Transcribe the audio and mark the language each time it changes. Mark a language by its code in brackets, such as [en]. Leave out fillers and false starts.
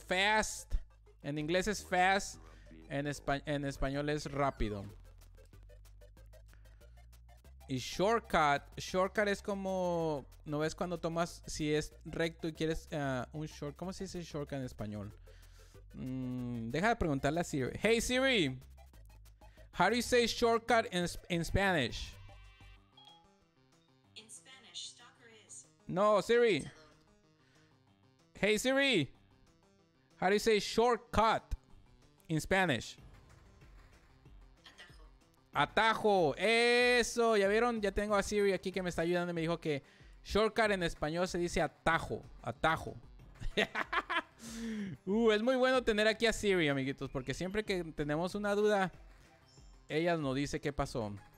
[es] Fast. En inglés es fast. En español es rápido. Y shortcut. Shortcut es como... ¿No ves cuando tomas... Si es recto y quieres un short... ¿Cómo se dice shortcut en español? Deja de preguntarle a Siri. [en] Hey, Siri. How do you say shortcut in Spanish? In Spanish, stalker is. No, Siri. Hello. Hey, Siri. How do you say shortcut in Spanish? [es] Atajo. Atajo. Eso. Ya vieron, ya tengo a Siri aquí que me está ayudando y me dijo que shortcut en español se dice atajo. Atajo. Es muy bueno tener aquí a Siri, amiguitos, porque siempre que tenemos una duda, ella nos dice qué pasó.